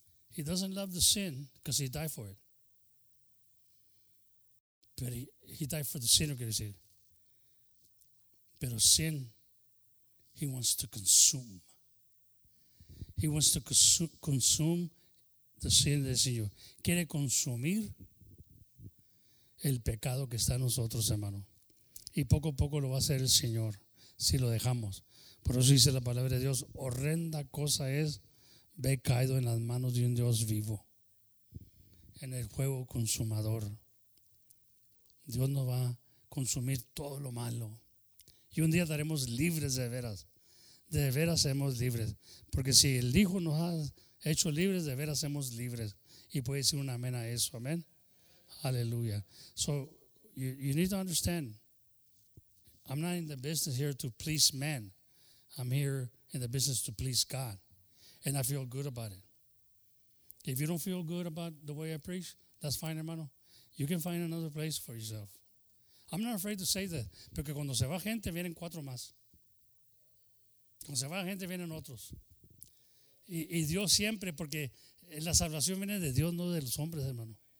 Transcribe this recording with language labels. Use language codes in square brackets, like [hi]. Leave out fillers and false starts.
[en] He doesn't love the sin because he died for it. But he died for the sinner, can you say? But a sin, he wants to consume. He wants to consume the sin that's in you. [es] Quiere consumir el pecado que está en nosotros, hermano. Y poco a poco lo va a hacer el Señor, si lo dejamos. Por eso dice la palabra de Dios, horrenda cosa es ver caído en las manos de un Dios vivo, en el fuego consumador. Dios nos va a consumir todo lo malo. Y un día estaremos libres de veras. De veras seremos libres. Porque si el Hijo nos ha hecho libres, de veras seremos libres. Y puede decir un amén a eso. Amén. Aleluya. [en] So, you need to understand. I'm not in the business here to please men. I'm here in the business to please God. And I feel good about it. If you don't feel good about the way I preach, that's fine, hermano. You can find another place for yourself. I'm not afraid to say that. [es] Porque cuando se va gente, vienen cuatro más. Cuando se va gente, vienen otros. Y Dios siempre, porque la salvación viene de Dios, no de los hombres, hermano.